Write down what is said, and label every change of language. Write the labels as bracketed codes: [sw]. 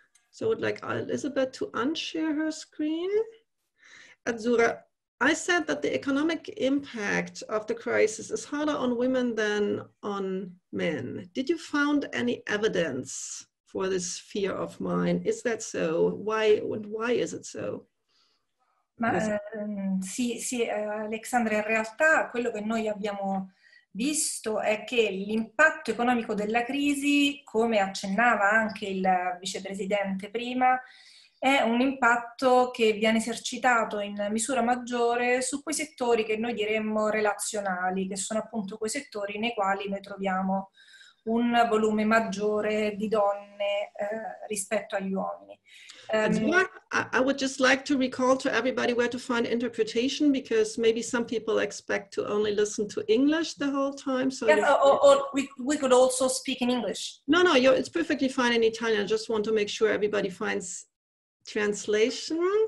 [en] So I would like Elisabeth to unshare her screen. Azzura, I said that the economic impact of the crisis is harder on women than on men. Did you find any evidence for this fear of mine? Is that so? Why is it so? [it] Ma, sì, Alexandra, in realtà quello che noi abbiamo visto è che l'impatto economico della crisi, come accennava anche il vicepresidente prima, è un impatto che viene esercitato in misura maggiore su quei settori che noi diremmo relazionali, che sono appunto quei settori nei quali noi troviamo un volume maggiore di donne rispetto agli uomini. [en] I would just like to recall to everybody where to find interpretation, because maybe some people expect to only listen to English the whole time. So yeah, or we could also speak in English. No, it's perfectly fine in Italian. I just want to make sure everybody finds translation.